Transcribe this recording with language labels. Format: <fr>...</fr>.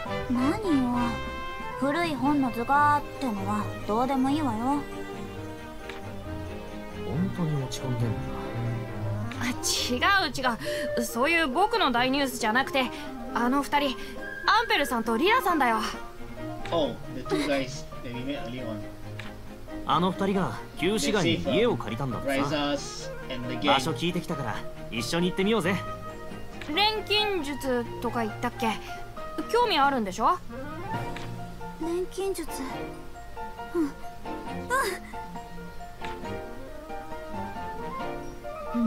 <ja>何よ、古い本の図画ってのはどうでもいいわよ。本当に落ち込んでんのか。違う違う、そういう僕の大ニュースじゃなくて、あの二人、アンペルさんとリラさんだよ。</ja> <en>Oh, the two guys that we met earlier on.</en> <ja>あの二人が旧市街に家を借りたんだってさ。場所聞いてきたから一緒に行ってみようぜ。錬金術とか言ったっけ、興味あるんでしょ。錬金術、うん、うん。</ja>